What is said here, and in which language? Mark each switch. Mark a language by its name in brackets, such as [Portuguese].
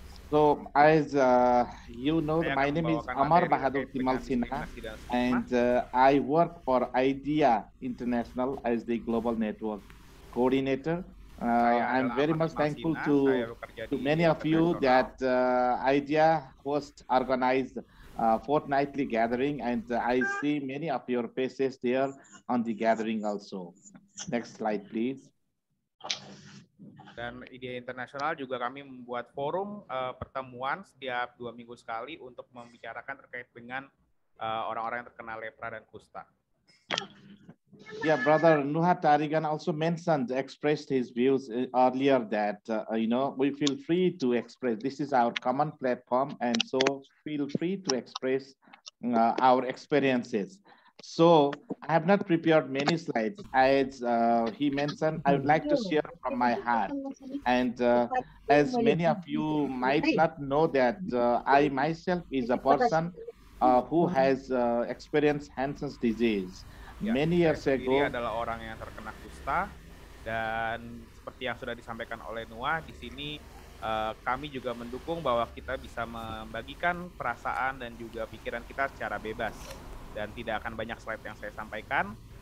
[English] So, as you know, my name is Amar Bahadur Timal Sinha, and I work for IDEA International as the Global Network Coordinator. I'm very much thankful to many of you that IDEA host organized fortnightly gathering, and I see many of your faces there on the gathering also. Next slide, please. [Indonesian] Dan IDEA Internasional juga kami membuat forum pertemuan setiap dua minggu sekali untuk membicarakan terkait dengan orang-orang yang terkena lepra dan kusta. [English] Yeah, Brother Nuha Tarigan also mentioned, expressed his views earlier that, you know, we feel free to express. This is our common platform, and so feel free to express our experiences. So I have not prepared many slides. As he mentioned, I would like to share from my heart. And as many of you might not know that I myself is a person who has experienced Hansen's disease. Ya, many years ago, [Indonesian] saya adalah orang yang terkena kusta, dan seperti yang sudah disampaikan oleh Noah di sini, kami juga mendukung bahwa kita bisa membagikan perasaan dan juga pikiran kita secara bebas, dan tidak akan banyak slide yang saya sampaikan.